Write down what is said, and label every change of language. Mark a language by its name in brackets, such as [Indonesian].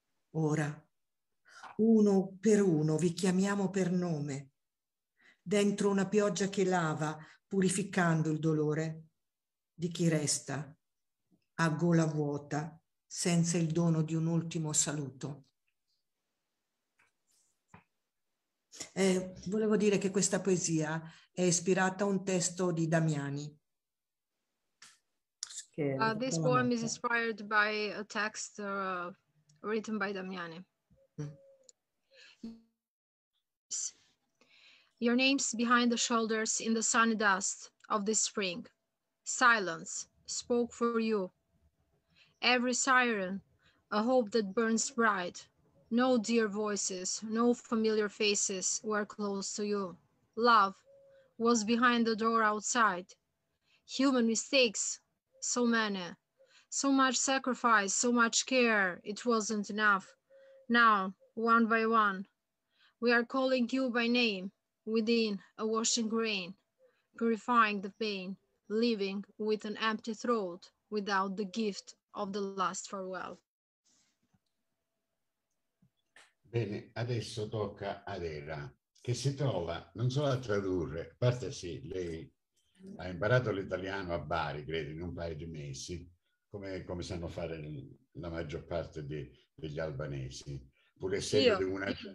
[Italian] Ora, uno per uno vi chiamiamo per nome, dentro una pioggia che lava, purificando il dolore di chi resta a gola vuota, senza il dono di un ultimo saluto. Volevo dire che questa poesia è ispirata a un testo di Damiani. [English] This poem is inspired by a text written by Damiani. Your names behind the shoulders in the sunny dust of this spring. Silence spoke for you. Every siren, a hope that burns bright. No dear voices, no familiar faces were close to you. Love was behind the door outside. Human mistakes, so many. So much sacrifice, so much care, it wasn't enough. Now, one by one, we are calling you by name. Within a washing rain, purifying the pain, living with an empty throat, without the gift of the last farewell. [Italian] Bene, adesso tocca ad Era, che si trova, non so a tradurre, a parte sì, lei ha imparato l'italiano a Bari, credo, in un paio di mesi, come sanno fare la maggior parte degli albanesi, pur essendo di una...